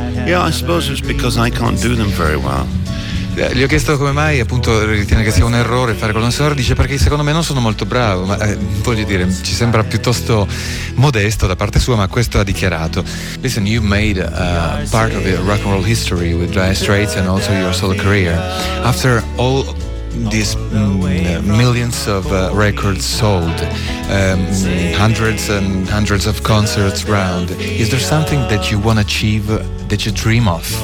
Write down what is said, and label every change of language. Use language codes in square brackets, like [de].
[en] Yeah, I suppose it's because I can't do them very well. [it] Gli ho chiesto come mai, appunto, ritiene che sia un errore fare colonne sonore. Dice perché secondo me non sono molto bravo, ma voglio dire, ci sembra piuttosto modesto da parte sua, ma questo ha dichiarato. [en] Listen, you made part of your rock and roll history with Dire Straits and also your solo career. After all these millions of records sold, hundreds and hundreds of concerts round, is there something that you want to achieve, that you dream of?